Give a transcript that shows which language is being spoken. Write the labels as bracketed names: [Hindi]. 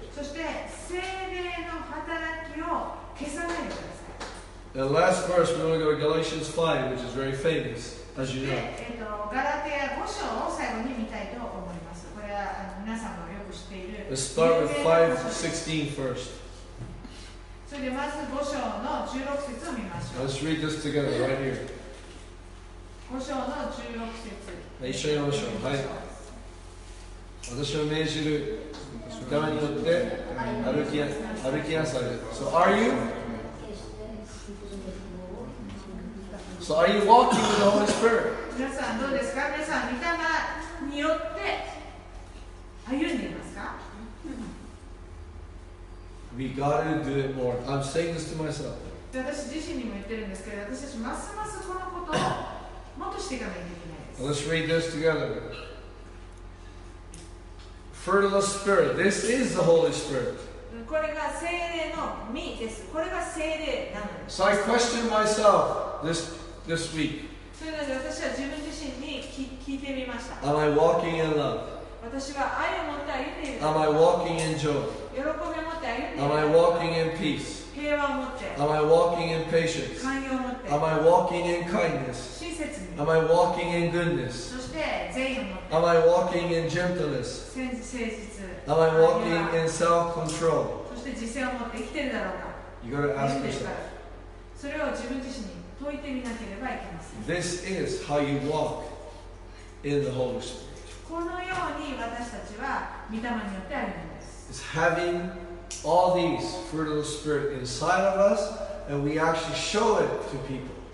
[Japanese] そして聖霊の働きを消さないでください。 [English] The last verse, we're going to go to Galatians 5, which is very famous, as you know. [Japanese] ガラテヤ5章を最後に見たいと思います。これは皆さんもよく知っている。 [English] Let's start with 5:16 first. [Japanese] それでまず5章の16節を見ましょう。 [English] Let's read this together right here. [Japanese] 5章の16節。はい、一緒に読みましょう。はい。私を命じる御霊によって歩きなされる。 [English] So are you? So are you walking with the Holy Spirit? [Japanese] 皆さんどうですか？皆さん御霊によって歩んでいますか？ [English] We gotta do it more. I'm saying this to myself. [Japanese] 私自身にも言ってるんですけど、私たちますますこのことをもっとしていかないといけないです。 [English] Let's read this together. Fruit of the Spirit. This is the Holy Spirit. [Japanese] これが聖霊の実です。これが聖霊なのです。 [English] So I questioned myself this week. [Japanese] それで私は自分自身に聞いてみました。 [English] Am I walking in love? [Japanese] 私は愛を持って歩んでいる。 [English] Am I walking in joy? [Japanese] 喜びを持って歩んでいる。 [English] Am I walking in peace? [Japanese] 平和を持って。 [English] Am I walking in patience? [Japanese] 寛容を持って。 [English] Am I walking in kindness? [Japanese] 親切に。 [English] Am I walking in goodness? Am I walking in gentleness? [Japanese] 誠実 [English] Am I walking in self-control? [Japanese] そして自制を持って生きてるだろうか。 [English] You gotta ask yourself. [Japanese] それを自分自身に問いてみなければいけません。 [English] This is how you walk in the Holy Spirit. [Japanese] このように私たちは御霊によって歩んでいます。 [English] It's having all these fruit of the Spirit inside of us, and we actually show it to people.